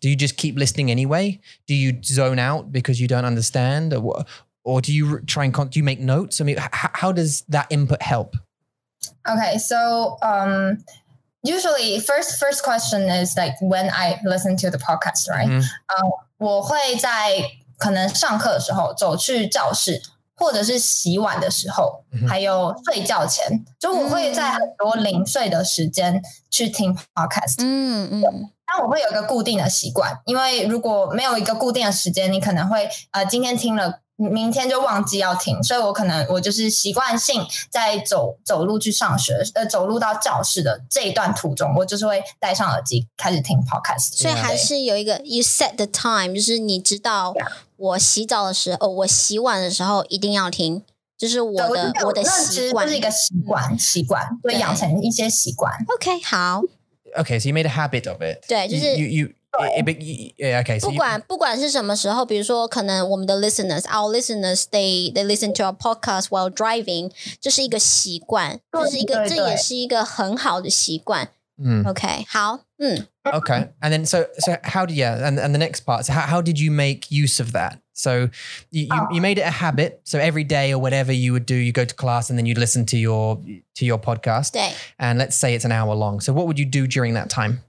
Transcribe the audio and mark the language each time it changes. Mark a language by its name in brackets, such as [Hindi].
[English] Do you just keep listening anyway? Do you zone out because you don't understand? Or do you try and do you make notes? I mean, how does that input help? Okay, so usually first question is like when I listen to the podcast, right? [Chinese] 我会在可能上课的时候走去教室或者是洗碗的时候、嗯、还有睡觉前，就我会在很多零碎的时间去听 podcast。嗯嗯，但我会有一个固定的习惯，因为如果没有一个固定的时间，你可能会今天听了明天就忘记要听，所以我可能我就是习惯性在走路去上学走路到教室的这一段途中，我就是会戴上耳机开始听 podcast。所以还是有一个 [English] you set the time， [Chinese] 就是你知道、yeah. 我洗澡的时候，我洗碗的时候一定要听，就是我的习惯，就是一个习惯，会养成一些习惯。 OK， 好。 [English] OK， so you made a habit of it。 [Chinese] 对，就是 [English] you, okay, so [Chinese] 不管是什么时候，比如说可能我们的 listeners [English] they listen to our podcast while driving， [Chinese] 这是一个习惯，这是一个对，这也是一个很好的习惯。嗯，OK， 好，嗯 [English] ，OK， and then so how do you and the next part? So how did you make use of that? So you made it a habit. So every day or whatever you would do, you go to class and then you'd listen to your podcast. [Chinese] 对 [English] ，and let's say it's an hour long. So what would you do during that time?